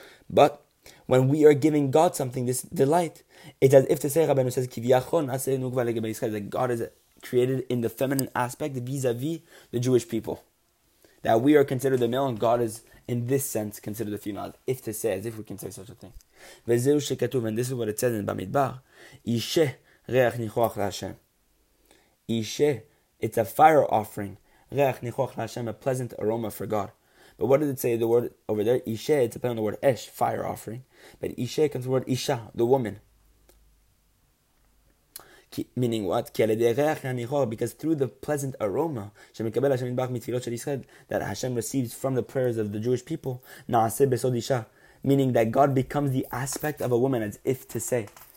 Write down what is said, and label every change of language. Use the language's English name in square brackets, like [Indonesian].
[English] But when we are giving God something, this delight, it's as if to say, Rabbeinu says, [Hebrew] Kivyachon aseh nukva legebe Yisrael, [English] that God is created in the feminine aspect vis-a-vis the Jewish people. That we are considered the male, and God is, in this sense, considered the female. If to say, as if we can say such a thing. [Hebrew] וזהו שכתוב, [English] and this is what it says in Bamidbar, [Hebrew] אישה ריח ניחוח להשם. [English] אישה, it's a fire offering. [Hebrew] ריח ניחוח להשם, [English] a pleasant aroma for God. But what did it say, the word over there? אישה, it's a play on the word אש, fire offering. But אישה comes from the word אישה, the woman. Meaning what? Because through the pleasant aroma that Hashem receives from the prayers of the Jewish people, meaning that God becomes the aspect of a woman, as if to say.